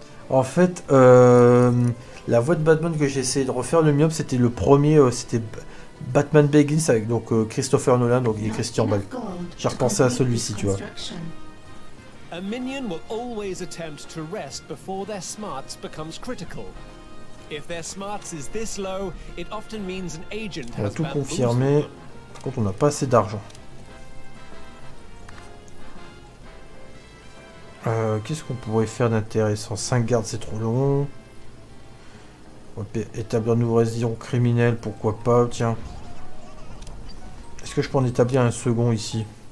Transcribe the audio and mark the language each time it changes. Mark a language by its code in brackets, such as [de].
[fr] En fait, la voix de Batman que j'ai essayé de refaire, le myope, c'était le premier, c'était Batman Begins avec donc Christopher Nolan donc, et Christian Bale. J'ai repensé à celui-ci, tu vois. [en] A minion will always attempt to rest before their smarts becomes critical. If their smarts is this low, it often means an agent has [fr] been. On a tout confirmé. Par contre, on n'a pas assez d'argent. Qu'est-ce qu'on pourrait faire d'intéressant? 5 gardes, c'est trop long. Établir un nouveau résident criminel, pourquoi pas, tiens. Est-ce que je peux en établir un second ici?